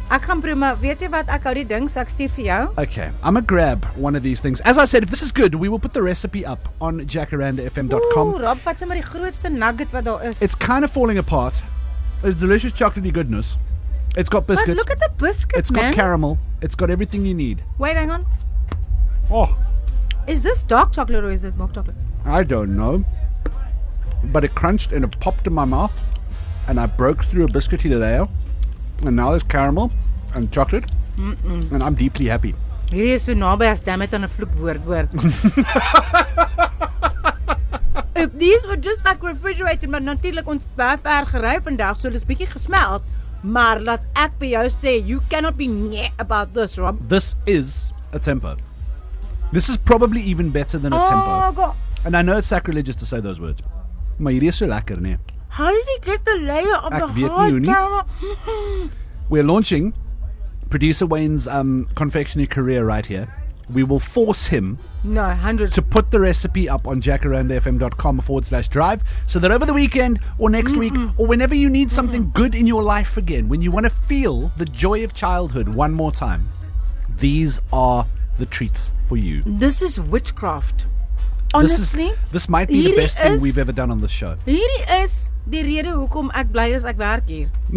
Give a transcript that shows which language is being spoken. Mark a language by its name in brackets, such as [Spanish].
[Afrikaans] Ek gaan proe, maar weet jy wat, ek hou die ding, so ek stuur vir jou. [English] Okay, I'm going to grab one of these things. As I said, if this is good, we will put the recipe up on jacarandafm.com. [Afrikaans] Ooh, Rob, vat sy maar die grootste nugget wat daar is. [English] It's kind of falling apart. It's delicious chocolatey goodness. It's got biscuits. But look at the biscuits, it's man. It's got caramel. It's got everything you need. Wait, hang on. Oh. Is this dark chocolate or is it milk chocolate? I don't know. But it crunched and it popped in my mouth and I broke through a biscuity layer and now there's caramel and chocolate. Mm-mm. And I'm deeply happy. [Afrikaans] Hier is so naby as [English] damn it [Afrikaans] aan 'n vloekwoord hoor. [English] If these were just like refrigerated, [Afrikaans] maar natuurlik ons baie ver gery vandag, so dis bietjie gesmelt, maar laat ek vir jou sê, [English] you cannot be nyeh about this, Rob. This is a Tempo. This is probably even better than a tempo. Oh, God. And I know it's sacrilegious to say those words. [Afrikaans] Maar hier is so lekker, nee. [English] How did he get the layer of [Afrikaans] Ek [English] the hard [Afrikaans] nie. [English] We're launching producer Wayne's confectionery career right here. We will force him to put the recipe up on jacarandafm.com/drive so that over the weekend or next week or whenever you need something good in your life again, when you want to feel the joy of childhood one more time, these are the treats for you. This is witchcraft. Honestly, this might be the best thing we've ever done on this show. [Afrikaans] Hierdie is die rede hoekom ek bly is ek werk hier.